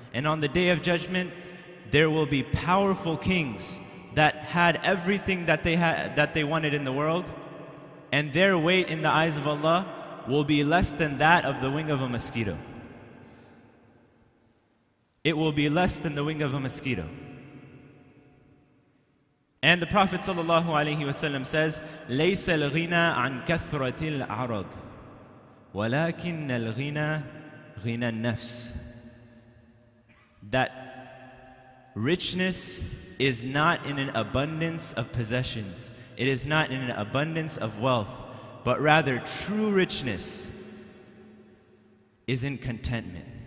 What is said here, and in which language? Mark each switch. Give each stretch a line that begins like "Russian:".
English: And on the day of judgment, there will be powerful kings that had everything that they had, that they wanted in the world, and their weight in the eyes of Allah will be less than that of the wing of a mosquito. it will be less than the wing of a mosquito. And the Prophet sallallahu alaihi wasallam says,
Arabic: لَيْسَ الْغِنَى عَنْ كَثْرَةِ الْعَرَضِ وَلَكِنَّ الْغِنَى غِنَى النَّفْسِ.
English: That richness is not in an abundance of possessions. It is not in an abundance of wealth, but rather true richness is in contentment.